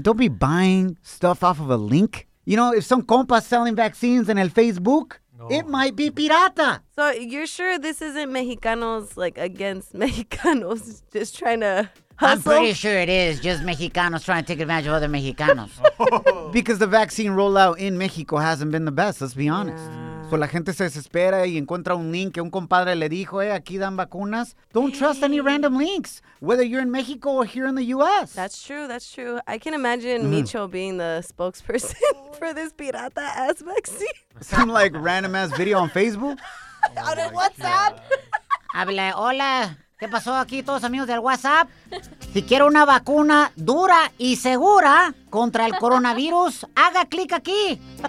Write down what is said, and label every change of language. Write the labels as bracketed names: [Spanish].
[English] Don't be buying stuff off of a link. You know, if some compa's selling vaccines in el Facebook, It might be pirata. So you're sure this isn't Mexicanos, like, against Mexicanos just trying to hustle? I'm pretty sure it is just Mexicanos trying to take advantage of other Mexicanos. Because the vaccine rollout in Mexico hasn't been the best, let's be honest. Yeah. [Spanish] So la gente se desespera y encuentra un link que un compadre le dijo, aquí dan vacunas. [English] Don't trust any random links, whether you're in Mexico or here in the U.S. That's true, that's true. I can imagine Micho being the spokesperson for this pirata-ass vaccine. Some, like, random-ass video on Facebook? Oh, on WhatsApp? [Spanish] Habla, hola, ¿qué pasó aquí todos amigos del WhatsApp? Si quiero una vacuna dura y segura contra el coronavirus, haga clic aquí.